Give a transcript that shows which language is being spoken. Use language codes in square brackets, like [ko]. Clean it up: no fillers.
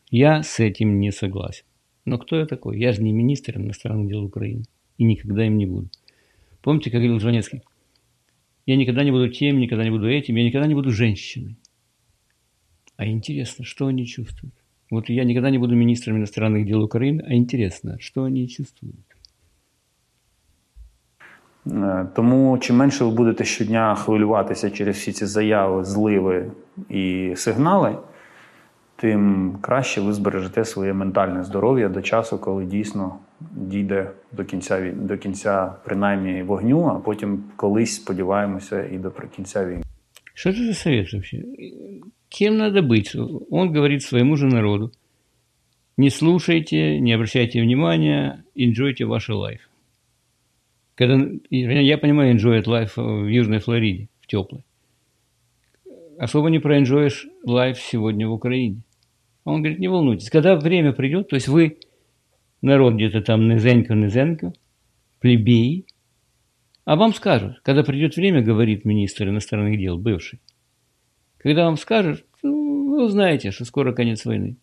[ru] Я с этим не согласен. Но кто я такой? Я же не министр иностранных дел Украины. И никогда им не буду. Помните, как говорил Жванецкий? Я никогда не буду тем, никогда не буду этим, я никогда не буду женщиной. А интересно, что они чувствуют? Вот я никогда не буду министром иностранных дел Украины, а интересно, что они чувствуют? [uk] Тому чим менше ви будете щодня хвилюватися через всі ці заяви, зливи і сигнали, тим краще ви збережете своє ментальне здоров'я до часу, коли дійсно дійде до кінця принаймні вогню, а потім колись, сподіваємося, і до кінця війни. Що це за совет взагалі? Ким треба бути? Він говорить своєму ж народу: не слухайте, [ru] не обращайте внимания, [uk] enjoyте ваш лайф. [ru] Когда, я понимаю, [en] enjoy life [ru] в Южной Флориде, в теплой. Особо не проэнджоешь life сегодня в Украине. Он говорит, не волнуйтесь. Когда время придет, то есть вы, народ где-то там, низенько, плебеи, а вам скажут, когда придет время, говорит министр иностранных дел, бывший, когда вам скажут, ну, вы узнаете, что скоро конец войны.